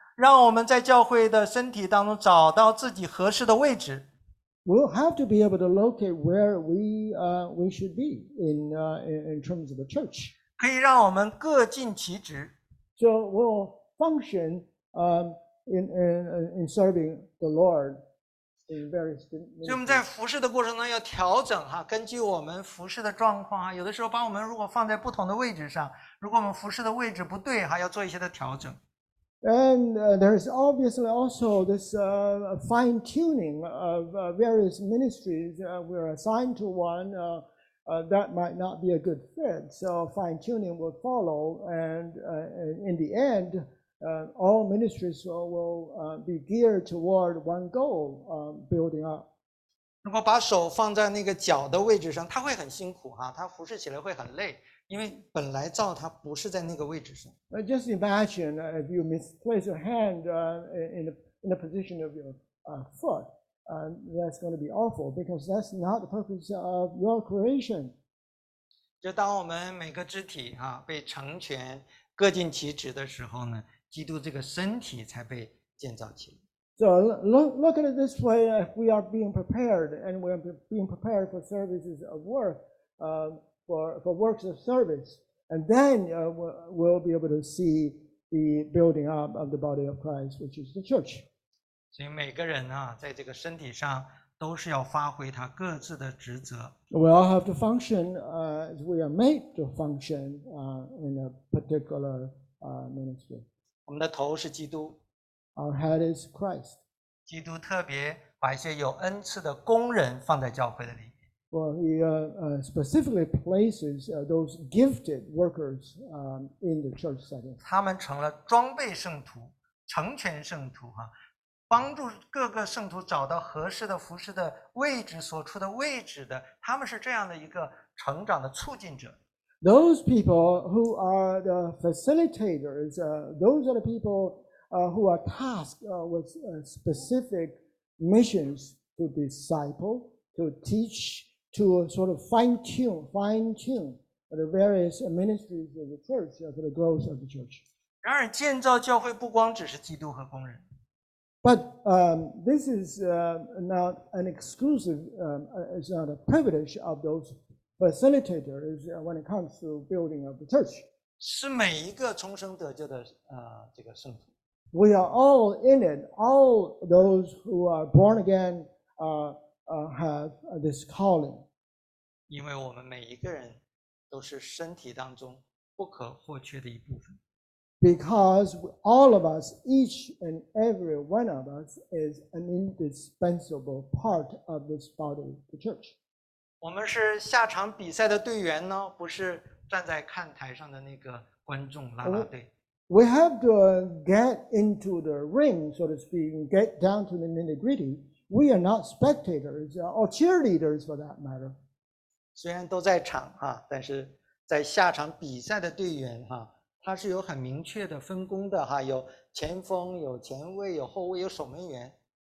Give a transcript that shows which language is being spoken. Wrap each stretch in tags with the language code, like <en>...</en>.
<zh>让我们在教会的身体当中找到自己合适的位置。</zh> <en>We'll have to be able to locate where we should be in terms of the church.</en> <zh>可以让我们各尽其职。</zh> <en>So we'll function in serving the Lord.</en> <zh>所以我们在服事的过程中要调整哈，根据我们服事的状况哈，有的时候把我们如果放在不同的位置上，如果我们服事的位置不对哈，要做一些的调整。</zh> <en>And there is obviously also this fine tuning of various ministries we are assigned to one that might not be a good fit. So fine tuning will follow, and in the end. All ministries will be geared toward one goal, building up.</en> <zh>如果把手放在那个脚的位置上，他会很辛苦哈，他服侍起来会很累，因为本来造他不是在那个位置上。</zh> <en>Just imagine if you misplace your hand in the position of your foot, that's going to be awful because that's not the purpose of your creation.</en> <zh>就当我们每个肢体哈被成全、各尽其职的时候呢？基督这个身体才被建造起来。</zh> <en>So look at it this way: if we are being prepared, and we are being prepared for services of work, for works of service, and then we'll be able to see the building up of the body of Christ, which is the church.</en> <zh>所以每个人啊，在这个身体上都是要发挥他各自的职责。</zh> <en>We all have to function as we are made to function in a particular ministry.</en> <zh>我们的头是基督。</zh> <en>Our head is Christ.</en> <zh>基督特别把一些有恩赐的工人放在教会的里面。</zh> <en>Well, he specifically places those gifted workers in the church setting.</en> <zh>他们成了装备圣徒、成全圣徒，帮助各个圣徒找到合适的服事的位置、所处的位置的，他们是这样的一个成长的促进者。</zh> <en>Those people who are the facilitators, those are the people who are tasked with specific missions to disciple, to teach, to sort of fine-tune the various ministries of the church for the growth of the church.</en> <zh>然而建造教会不光只是基督和工人。</zh> <en>But this is not an exclusive, it's not a privilege of those people. Facilitator is when it comes to building of the church.</en> <zh>是每一个重生得救的这个圣徒。</zh> <en>We are all in it. All those who are born again have this calling.</en> <zh>因为我们每一个人都是身体当中不可或缺的一部分。</zh> <en>Because all of us, each and every one of us, is an indispensable part of this body, the church.</en> <zh>我们是下场比赛的队员呢，不是站在看台上的那个观众拉拉队。</zh> <en>We have to get into the ring, so to speak, and get down to the nitty-gritty. We are not spectators or cheerleaders for that matter.</en> <zh>虽然都在场哈，但是在下场比赛的队员哈，他是有很明确的分工的哈，有前锋，有前卫，有后卫，有守门员。</zh>